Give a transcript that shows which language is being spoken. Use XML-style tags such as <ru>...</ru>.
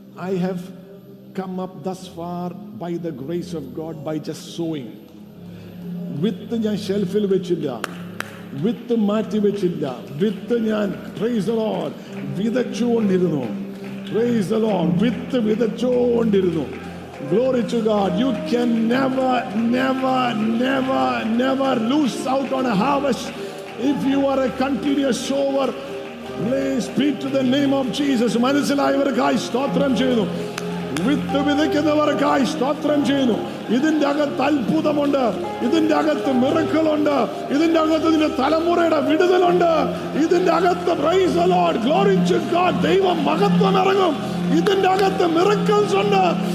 <en>I have come up thus far by the grace of God by just sowing.</en> <ml>വിത്ത് ഞാൻ ഷെൽഫിൽ വെച്ചില്ല, വിത്ത് മാറ്റി വെച്ചില്ല, വിത്ത് ഞാൻ</ml> <en>praise the Lord</en> <ml>വിതച്ചുകൊണ്ടിരുന്നു.</ml> <en>praise the Lord,</en> <ml>with വിതച്ചുകൊണ്ടിരുന്നു.</ml> <en>Glory to God. You can never, never, never, never lose out on a harvest if you are a continuous sower. Please speak to the name of Jesus.</en> <ml>മനസ്സിലായവർക്കായി സ്തോത്രം ചെയ്യുന്നു, വിത്ത് വിതയ്ക്കുന്നവർക്കായി സ്തോത്രം ചെയ്യുന്നു. ഇതിന്റെ അകത്ത് അത്ഭുതമുണ്ട്, ഇതിന്റെ അകത്ത് miracle ഉണ്ട്, ഇതിന്റെ അകത്ത് ഇതിന്റെ തലമുറയുടെ വിടുതലുണ്ട്, ഇതിന്റെ അകത്ത്</ml> <en>praise the Lord glory to God</en> <ml>ദൈവം മഹത്വം ഇറങ്ങും, ഇതിന്റെ അകത്ത് മിറക്കിൾസ് ഉണ്ട്.</ml>